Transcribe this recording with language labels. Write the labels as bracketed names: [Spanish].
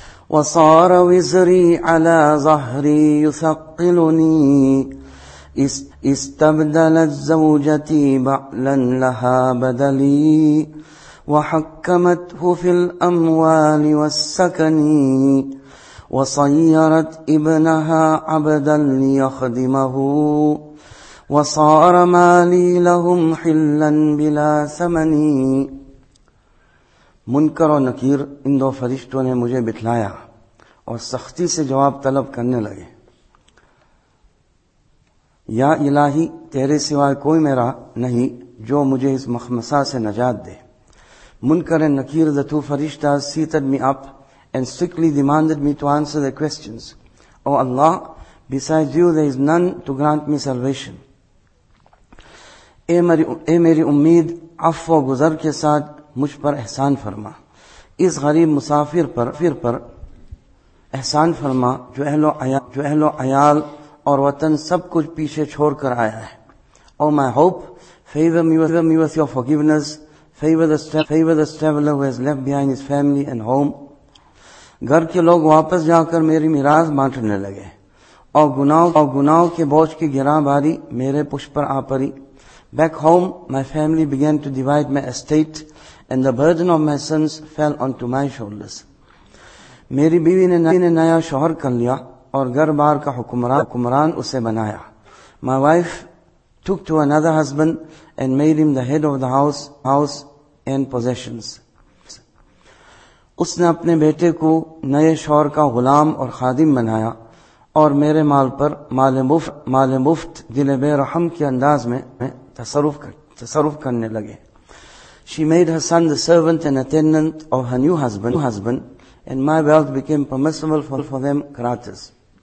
[Arabic] وَصَارَ وِزْرِي عَلَى ظَهْرِي يُثَقِّلُنِي استبدلت زوجتي بعلا لها بدلي وحكمته في الأموال والسكن وصيرت ابنها عبدا ليخدمه وصار مالي لهم حلا بلا ثمن. [Urdu] منکر اور نکیر ان دو فرشتوں نے مجھے بتلایا اور سختی سے جواب طلب کرنے لگے. یا الہی, تیرے سوائے کوئی میرا نہیں جو مجھے اس مخمصہ سے نجات دے. [English] منکر and نکیر, the two فرشتہ seated me up and strictly demanded me to answer their questions. Oh Allah, besides you there is none to grant me salvation. [Urdu] اے میری امید, عفو و گزر کے ساتھ مجھ پر احسان فرما, اس غریب مسافر پر احسان فرما جو اہل و عیال اور وطن سب کچھ پیچھے چھوڑ کر آیا ہے. [English] Oh my hope, favor me with your forgiveness, favor the traveler who has left behind his family and home. [Urdu] گھر کے لوگ واپس جا کر میری میراث بانٹنے لگے اور گناہوں کے بوجھ کی گراں باری میرے پشت پر آ پڑی. [English] Back home, my family began to divide my estate and the burden of my sins fell onto my shoulders. [Urdu] میری بیوی نے نیا شوہر کر لیا اور گھر بار کا حکمران اسے بنایا. [English] My wife took to another husband and made him the head of the house and possessions. [Urdu] اس نے اپنے بیٹے کو نئے شوہر کا غلام اور خادم بنایا اور میرے مال پر مال مفت دل بے رحم کے انداز میں تصرف کرنے لگے. [English] She made her son the servant and attendant of her new husband and my wealth became permissible for them gratis.